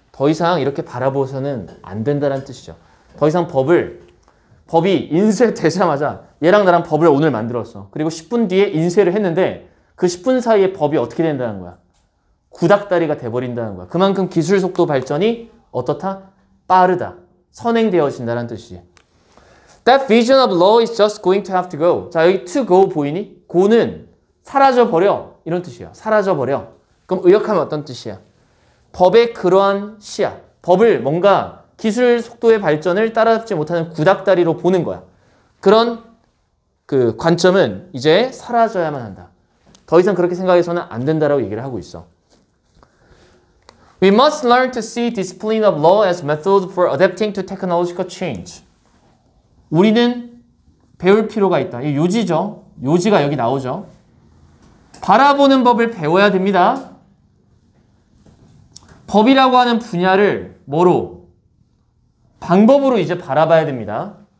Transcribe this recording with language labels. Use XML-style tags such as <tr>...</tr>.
<ko>더 이상 이렇게 바라보서는 안 된다는 뜻이죠. 더 이상 법이 인쇄되자마자 얘랑 나랑 법을 오늘 만들었어. 그리고 10분 뒤에 인쇄를 했는데 그 10분 사이에 법이 어떻게 된다는 거야? 구닥다리가 돼버린다는 거야. 그만큼 기술 속도 발전이 어떻다? 빠르다. 선행되어진다는 뜻이지.</ko> <en>That vision of law is just going to have to go.</en> <ko>자, 여기 to go 보이니? go는 사라져버려. 이런 뜻이야. 사라져버려. 그럼 의역하면 어떤 뜻이야? 법의 그러한 시야. 법을 뭔가 기술 속도의 발전을 따라잡지 못하는 구닥다리로 보는 거야. 그런 그 관점은 이제 사라져야만 한다. 더 이상 그렇게 생각해서는 안 된다라고 얘기를 하고 있어.</ko> <en>We must learn to see discipline of law as method for adapting to technological change.</en> <ko>우리는 배울 필요가 있다. 이 요지죠. 요지가 여기 나오죠. 바라보는 법을 배워야 됩니다. 법이라고 하는 분야를 뭐로? 방법으로 이제 바라봐야 됩니다.</ko>